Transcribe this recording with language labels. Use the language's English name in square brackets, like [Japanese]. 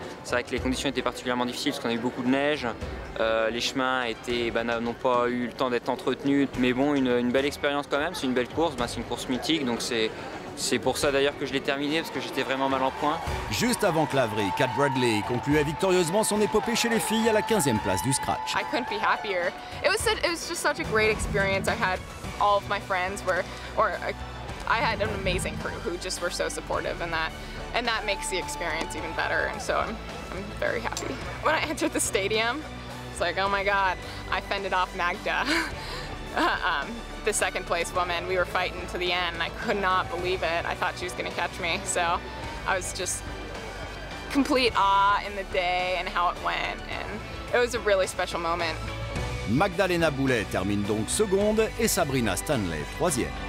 [French] C'est vrai que les conditions étaient particulièrement difficiles parce qu'on a eu beaucoup de neige. Les chemins n'ont pas eu le temps d'être entretenus. Mais bon, une belle expérience quand même. C'est une belle course, c'est une course mythique. Donc c'est pour ça d'ailleurs que je l'ai terminé, parce que j'étais vraiment mal en point. Juste avant Clavry, Kat Bradley concluait victorieusement son épopée chez les filles à la 15e place du scratch. [English] I couldn't be happier. It was just such a great experience. I had all of my friends were, or I had an amazing crew who just were so supportive, and that makes the experience even better. And so I'm very happy. When I entered the stadium, it's like, oh my God, I fended off Magda. The second place woman, we were fighting to the end. I could not believe it. I thought she was going to catch me. So I was just complete awe in the day and how it went. And it was a really special moment. [French] Magdalena Boulet termine donc seconde et Sabrina Stanley troisième.